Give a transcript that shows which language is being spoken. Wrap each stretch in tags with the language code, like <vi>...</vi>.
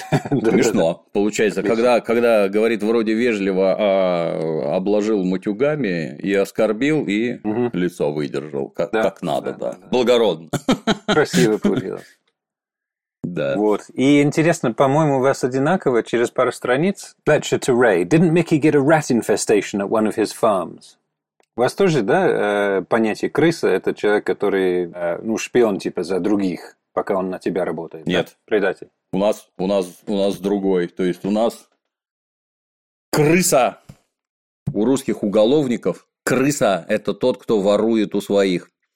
<ru>Смешно, получается, когда говорит вроде вежливо, а обложил матюгами и оскорбил, и лицо выдержал, как надо, да. Благородно. Красиво получилось. Да. Вот. И интересно, по-моему, у вас одинаково через пару страниц.</ru> <en>Letter to Ray. Didn't Mickey get a rat infestation at one of his farms?</en> <ru>У вас тоже, да, понятие крыса – это человек, который, ну, шпион типа за других, пока он на тебя работает. Нет. Да? Предатель. У нас другой. То есть у нас крыса. У русских уголовников крыса – это тот, кто ворует у своих.</ru>